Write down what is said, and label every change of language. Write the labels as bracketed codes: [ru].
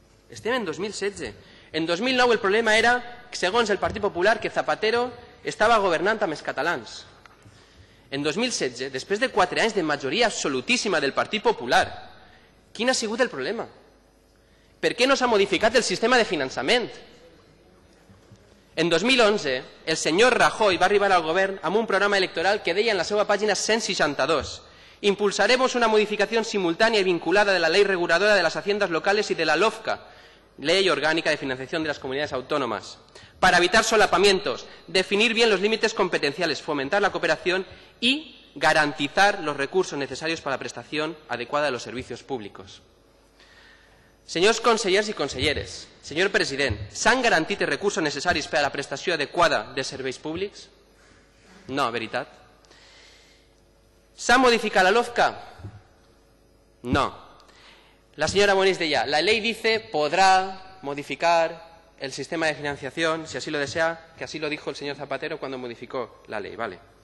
[ca] Estem en 2016. En 2009 el problema era, segons el Partit Popular, que Zapatero estava governant amb els catalans. En 2016, després de 4 anys de majoria absolutíssima del Partit Popular, quin ha sigut el problema? Per què no s'ha modificat el sistema de finançament? En 2011, el senyor Rajoy va arribar al govern amb un programa electoral que deia en la seva pàgina 162: [es] impulsaremos una modificación simultánea y vinculada de la ley reguladora de las haciendas locales y de la LOFCA, Ley Orgánica de Financiación de las Comunidades Autónomas, para evitar solapamientos, definir bien los límites competenciales, fomentar la cooperación y garantizar los recursos necesarios para la prestación adecuada de los servicios públicos. [ca] Senyors consellers i conselleres, senyor president, s'han garantit els recursos necessaris per a la prestació adequada de serveis públics? No, veritat. S'ha modificat la LOFCA? No. La senyora Moniz deia, [es] la ley dice podrà modificar el sistema de financiació, si así lo desea, que así lo dijo el senyor Zapatero cuando modificó la ley, vale.